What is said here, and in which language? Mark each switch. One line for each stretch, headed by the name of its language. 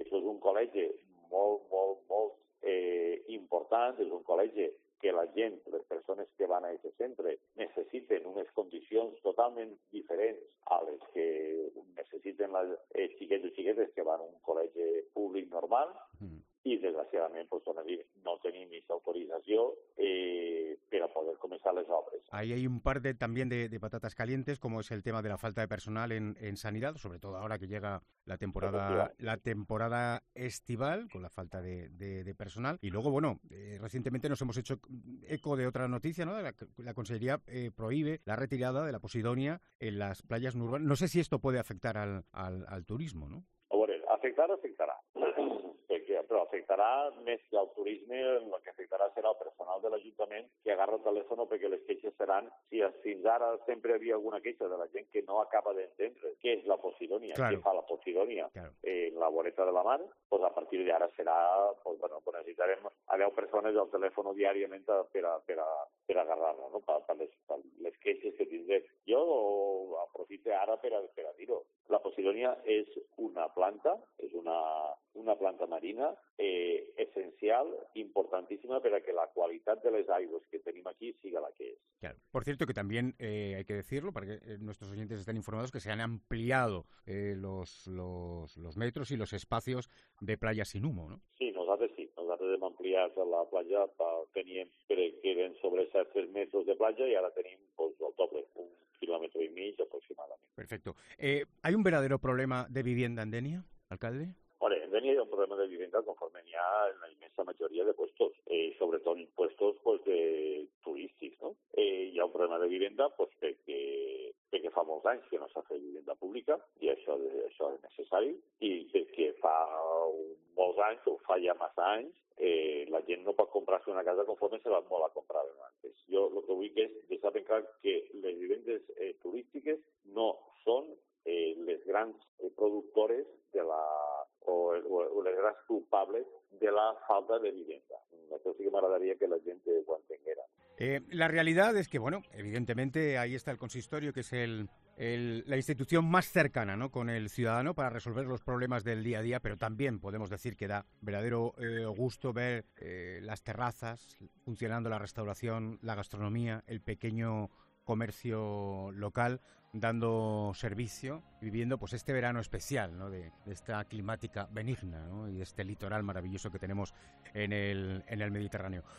Catalan: Això és un col·legi molt, molt, molt important, és un col·legi que la gent, les persones que van a aquest centre, necessiten unes condicions totalment diferents a les que necessiten els xiquets i xiquetes que van a un col·legi públic normal, i, desgraciadament, pues, no tenim aquesta autorització per a poder
Spanish: Ahí hay un par de también de patatas calientes, como es el tema de la falta de personal en sanidad, sobre todo ahora que llega la temporada estival, con la falta de personal. Y luego, bueno, recientemente nos hemos hecho eco de otra noticia, ¿no? La Consellería prohíbe la retirada de la Posidonia en las playas urbanas. No sé si esto puede afectar al turismo, ¿no? Afectará.
Catalan: Però afectarà més que el turisme, el que afectarà serà el personal de l'Ajuntament que agarra el telèfon perquè les queixes seran si fins ara sempre hi havia alguna queixa de la gent que no acaba d'entendre què és la Posidònia,
Spanish: claro.
Catalan: Què fa la Posidònia en la voreta de la mar, pues a partir d'ara serà, pues bueno, pues necessitarem a 10 persones al telèfon diàriament per agarrar-la, no? per les queixes que tindrem. Jo aprofito ara per a dir-ho. La Posidònia és una planta, és una planta marina essencial, importantíssima per a que la qualitat de les aigües que tenim aquí siga la que és.
Spanish: Claro. Por cierto, que también hay que decirlo, para que nuestros oyentes estén informados, que se han ampliado los metros y los espacios de playa sin humo, ¿no?
Catalan: Sí, nosaltres sí. Nosaltres hem ampliat la platja, teníem, crec que eren sobre 7-3 metres de platja i ara tenim pues, el doble, un quilòmetre i mig aproximadament.
Spanish: Perfecto. ¿Hay un verdadero problema de vivienda en Dénia, alcalde?
Catalan: Bueno, en Dénia hi ha un problema de vivienda conforme n'hi ha en la immensa majoria de puestos, sobretot en puestos pues, de turístics, ¿no? Hi ha un problema de vivienda pues, perquè fa molts anys que no s'ha fet vivienda pública i això és necessari i perquè fa molts anys, o fa ja massa anys, la gent no pot comprar-se una casa conforme se va molt a comprar abans. Jo el que vull és deixar ben clar que les vivendes turístiques no són les grans productores de la o les grans culpables de la falta de vivienda. Això sí que m'agradaria que la gent ho entenguera.
Spanish: La realidad es que, bueno, evidentemente ahí está el consistorio, que es la institución más cercana, ¿no?, con el ciudadano para resolver los problemas del día a día, pero también podemos decir que da verdadero gusto ver las terrazas funcionando, la restauración, la gastronomía, el pequeño comercio local dando servicio, viviendo pues este verano especial, ¿no?, de esta climática benigna, ¿no?, y este litoral maravilloso que tenemos en el Mediterráneo.